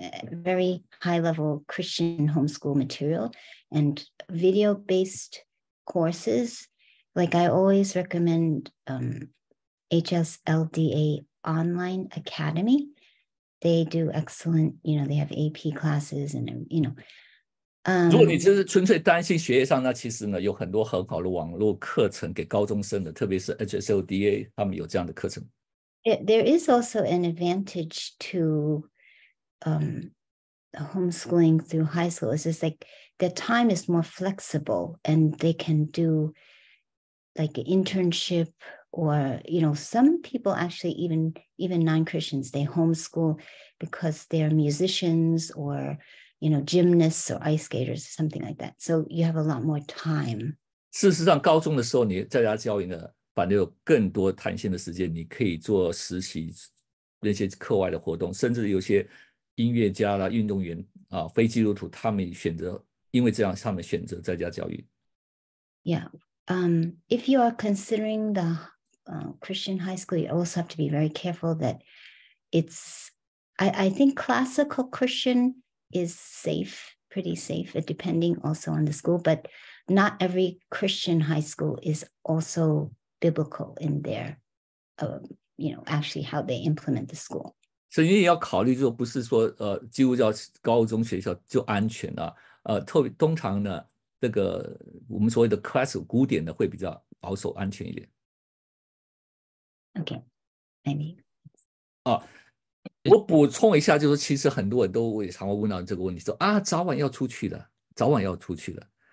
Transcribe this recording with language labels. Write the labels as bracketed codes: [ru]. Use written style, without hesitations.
[en] Very high level Christian homeschool material and video based courses. Like I always recommend HSLDA Online Academy. They do excellent, you know, they have AP classes and, you know. [zh] 如果你就是纯粹担心学业上，那其实呢有很多很好的网络课程给高中生的，特别是 HSLDA 他们有这样的课程。 [en] There is also an advantage to. Homeschooling through high school is just like their time is more flexible and they can do like an internship or, you know, some people actually even non-Christians, they homeschool because they're musicians or, you know, gymnasts or ice skaters, something like that. So you have a lot more time. [zh] 事实上高中的时候你在家教育呢反而有更多弹性的时间，你可以做实习那些课外的活动，甚至有些音乐家啦，运动员啊，非基督徒，他们选择，因为这样，他们选择在家教育。 [en] Yeah, if you are considering the Christian high school, you also have to be very careful that it's. I think classical Christian is safe, pretty safe, depending also on the school, but not every Christian high school is also biblical in their, you know, actually how they implement the school. [zh] 所以你也要考虑，就不是说基督教高中学校就安全了、啊。特别通常呢，这个我们所谓的 classic 古典的会比较保守安全一点。 [en] OK， maybe。 [zh] 啊，我补充一下，就是其实很多人都也常会问到这个问题，说啊，早晚要出去的，早晚要出去的。